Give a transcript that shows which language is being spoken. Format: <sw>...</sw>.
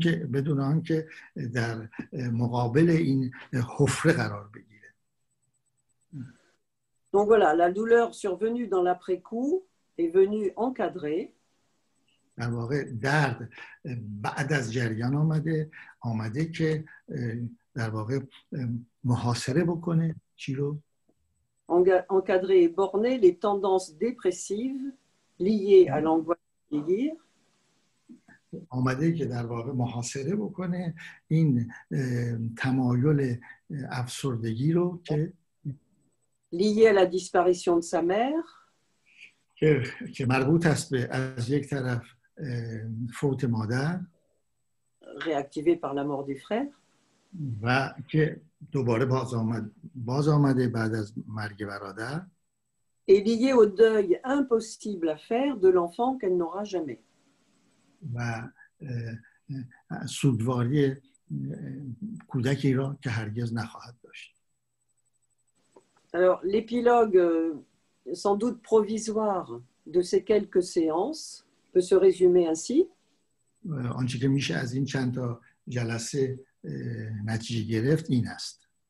<fa>بدون آنکه در مقابل این حفره قرار بگیره.</fa> <fr>Donc voilà, la douleur survenue dans l'après-coup est venue encadrer.</fr> <fa>در واقع درد بعد از جریان آمده که در واقع محاصره بکنه چی رو؟</fa> <fr>Encadrer et borner les tendances dépressives liées à l'angoisse de vieillir.</fr> <fa>آمده که در واقع محاصره بکنه این تمایل افسردگی رو که</fa> <fr>lié à la disparition de sa mère</fr> <fa>که مربوط است به از یک طرف فوت مادر</fa> <fr>réactivé par la mort du frère</fr> <fa>و که دوباره باز آمد بعد از مرگ برادر</fa> <fr>et lié au deuil impossible à faire de l'enfant qu'elle n'aura jamais</fr> <fa>و سوگواری کودکی را که هرگز نخواهد داشت.</fa> <fr>Alors l'épilogue sans doute provisoire de ces quelques séances peut se résumer ainsi.</fr> <fa>آنچه که میشه از این چند تا جلسه نتیجه گرفت این است.</fa>